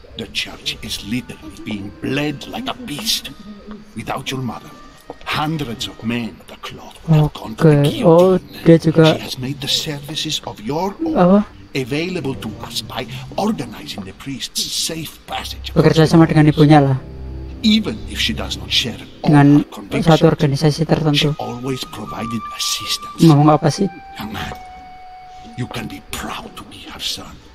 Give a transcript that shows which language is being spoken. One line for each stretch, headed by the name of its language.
English: The church is literally being bled like a beast. Without your mother, hundreds of men of the cloth have gone to the guillotine.
Indonesian: Oh, juga.
English: She has made the services of your own available to us by organizing the priest's safe passage.
Indonesian: Bekerja sama dengan ibunya lah.
English: Even if she does not share
Indonesian: dengan satu organisasi tertentu.
English: She always provided assistance.
Indonesian: Ngomong apa sih?
English: Young man, you can be proud to be her son.